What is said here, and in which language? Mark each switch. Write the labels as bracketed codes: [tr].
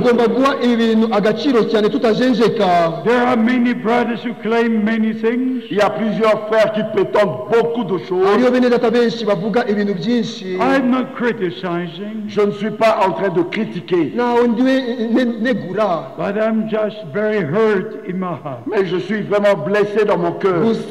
[en] There are many brothers who claim many things. [fr] Il y a plusieurs frères qui prétendent beaucoup de choses. [en] I'm not criticizing. [fr] Je ne suis pas en train de critiquer. [en] But I'm just very hurt in my heart. [fr] Mais je suis vraiment blessé dans mon cœur.